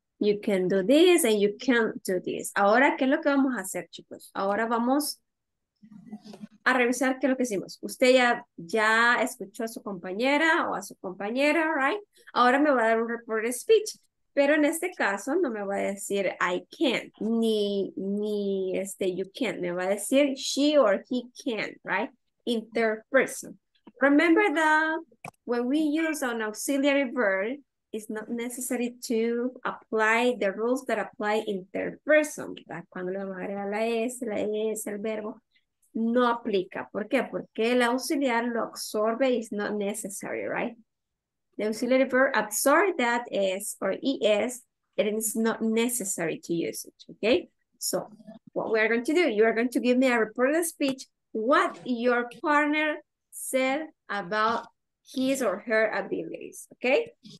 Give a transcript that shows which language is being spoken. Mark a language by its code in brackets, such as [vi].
[en] You can do this and you can't do this. [es] Ahora, ¿qué es lo que vamos a hacer, chicos? Ahora vamos a revisar qué es lo que hicimos. Usted ya escuchó a su compañera o a su compañera, right? Ahora me va a dar un report speech. Pero en este caso no me va a decir I can't, ni you can't. Me va a decir she or he can't, right? [en] In third person. Remember that when we use an auxiliary verb, it's not necessary to apply the rules that apply in third person. [es] ¿Verdad? Cuando le vamos a agregar la S, el verbo, no aplica. ¿Por qué? Porque el auxiliar lo absorbe, [en] it's not necessary, [es] right? [en] The auxiliary verb absorb that S or ES, it is not necessary to use it, okay? So what we are going to do, you are going to give me a reported speech, what your partner said about his or her abilities, okay?